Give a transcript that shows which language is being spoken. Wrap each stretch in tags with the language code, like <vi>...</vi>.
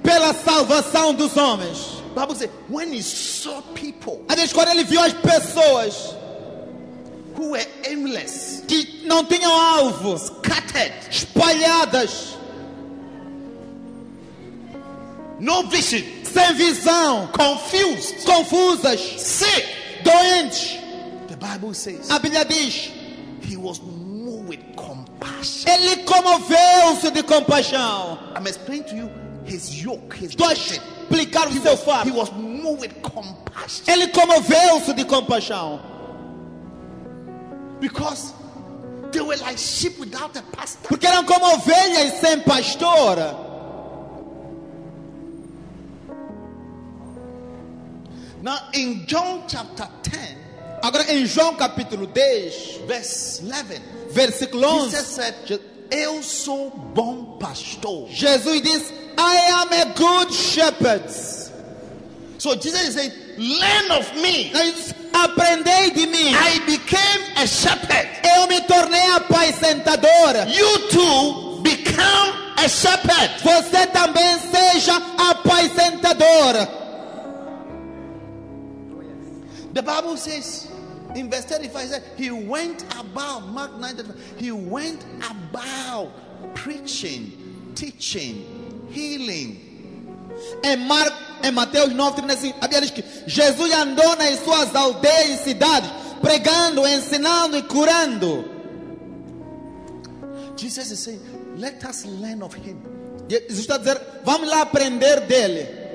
<pt>Pela salvação dos homens.</pt> <en>Bible says, when he saw people.</en> <pt>A Deus, quando ele viu as pessoas.</pt> <en>Who were aimless.</en> <pt>Que não tinham alvo.</pt> <en>Scattered.</en> <pt>Espalhadas.</pt> <en>No vision.</en> <pt>Sem visão.</pt> <en>Confused.</en> <pt>Confusas.</pt> <en>Sick.</en> <pt>Doentes.</pt> <en>The Bible says.</en> <pt>A Bíblia diz.</pt> <en>He was moved with compassion.</en> <pt>Ele comoveu-se de compaixão.</pt> <en>I'm explaining to you his yoke, his burden.</en> <pt>Explicar o</pt> <en>he</en> <pt>seu</pt> <en>was,</en> <pt>fardo.</pt> <en>He was moved with compassion.</en> <pt>Ele comoveu-se de compaixão.</pt> <en>Because they were like sheep without a pastor.</en> <pt>Porque eram como ovelhas sem pastor.</pt> <en>Now in John chapter 10,</en> <pt>agora em João capítulo 10,</pt> <en>verse 11,</en> <pt>versículo 11,</pt> <en>Jesus said,</en> <pt>"Eu sou bom pastor." Jesus disse,</pt> <en>I am a good shepherd. So Jesus said, learn of me.</en> <pt>Aprendei de mim.</pt> <en>I became a shepherd.</en> <pt>Eu me tornei apacentador.</pt> <en>You too become a shepherd.</en> <pt>Você também seja apacentador.</pt> <en>The Bible says in verse 35, he went about, Mark 9, he went about preaching, teaching, healing.</en> <pt>Em Mateus 9:35, a Bíblia diz que Jesus andou nas suas aldeias e cidades, pregando, ensinando e curando.</pt> <en>Jesus is saying, let us learn of him.</en> <pt>Jesus está dizendo, vamos lá aprender dele.</pt>